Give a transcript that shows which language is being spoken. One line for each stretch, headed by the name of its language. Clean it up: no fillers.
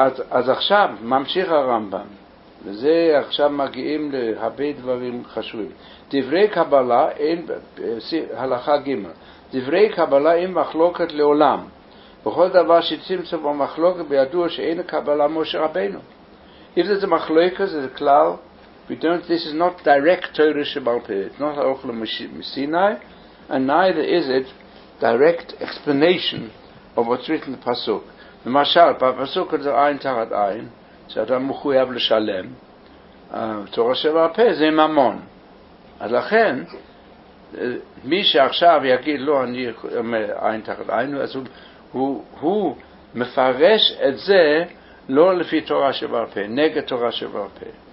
Hebrew: אז עכשיו ממשיך הרמב״ם, וזה עכשיו מגיעים להרבה דברים חשובים. דברי קבלה, אין, הלכה ג', דברי קבלה אין מחלוקת לעולם. בכל דבר שצמצם בו מחלוקת, בידוע שאין קבלה משה רבנו. אם זה מחלוקת, זה כלל,
English: we don't, this is not direct Torah שבעל פה, it's not הלכה מסיני, and neither is it direct explanation of what's written in the pasuk.
Hebrew: למשל, בפסוק הזה עין תחת עין, שאתה מחויב לשלם, תורה שבעל פה זה ממון. אז לכן, מי שעכשיו יגיד, לא, אני אומר עין תחת עין, אז הוא מפרש את זה לא לפי תורה שבעל פה, נגד תורה שבעל פה.